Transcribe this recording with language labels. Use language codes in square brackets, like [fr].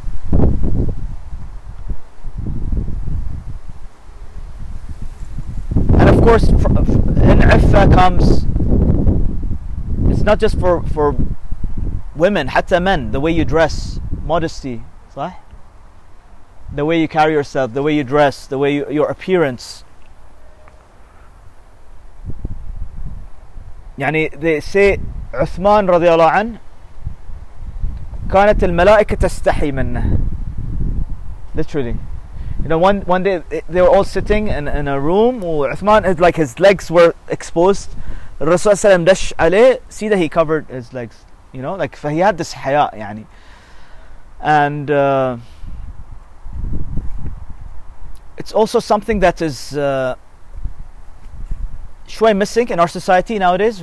[en] And of course, in iffa comes, it's not just for women, [ar] حتى [en] men, the way you dress, modesty, [ar] صح? [en] The way you carry yourself, the way you dress, the way you, your appearance. [ar] يعني [en] they say [ar] عثمان رضي الله عنه كانت الملائكة تستحي منه. [en] Literally, you know, one day they were all sitting in a room, وعثمان is like his legs were exposed. [ar] الرسول صلى الله عليه وسلم دش عليه, [en] see that he covered his legs. You know, like he had this حياء, [ar] يعني. [en] And it's also something that is [ar] شوي [en] missing in our society nowadays.